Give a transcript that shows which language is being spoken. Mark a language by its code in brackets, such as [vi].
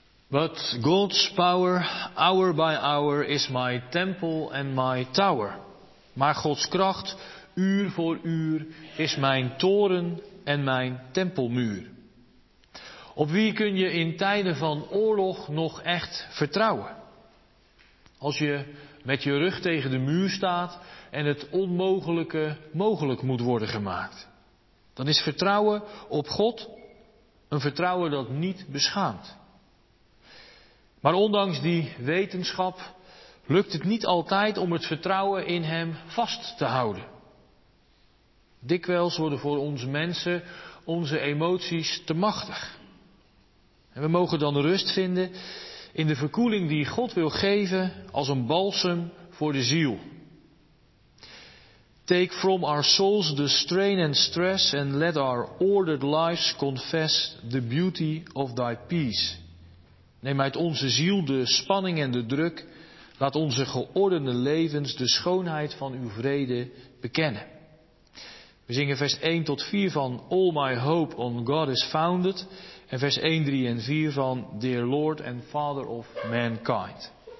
[en] But God's power, hour by hour, is my temple and my tower. [nl] Maar Gods kracht, uur voor uur, is mijn toren en mijn tempelmuur. Op wie kun je in tijden van oorlog nog echt vertrouwen? Als je met je rug tegen de muur staat en het onmogelijke mogelijk moet worden gemaakt, dan is vertrouwen op God een vertrouwen dat niet beschaamt. Maar ondanks die wetenschap lukt het niet altijd om het vertrouwen in hem vast te houden. Dikwijls worden voor ons mensen onze emoties te machtig. En we mogen dan rust vinden in de verkoeling die God wil geven als een balsem voor de ziel. [en] Take from our souls the strain and stress and let our ordered lives confess the beauty of thy peace. [nl] Neem uit onze ziel de spanning en de druk, laat onze geordende levens de schoonheid van uw vrede bekennen. We zingen vers 1 tot 4 van All my hope on God is founded en vers 1, 3 en 4 van Dear Lord and Father of mankind.